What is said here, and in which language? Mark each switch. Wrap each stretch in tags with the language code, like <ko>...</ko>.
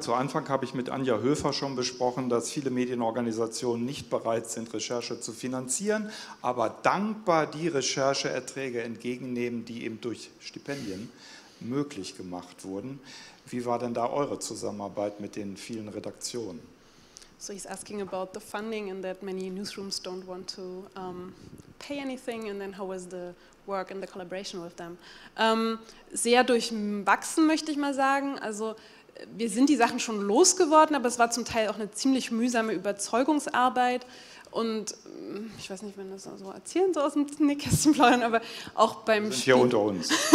<de>Zu Anfang habe ich mit Anja Höfer schon besprochen, dass viele Medienorganisationen nicht bereit sind, Recherche zu finanzieren, aber dankbar die Rechercheerträge entgegennehmen, die eben durch Stipendien möglich gemacht wurden. Wie war denn da eure Zusammenarbeit mit den vielen Redaktionen?</de> <en>So he's asking about the funding and that many newsrooms don't want to pay anything and then how was the work and the collaboration with them.</en> <de>Sehr durchwachsen, möchte ich mal sagen. Also wir sind die Sachen schon losgeworden, aber es war zum Teil auch eine ziemlich mühsame Überzeugungsarbeit. Und ich weiß nicht, wenn das so erzählen, so aus dem Nähkästchen plaudern, aber auch beim Spiegel. Hier unter uns.</de>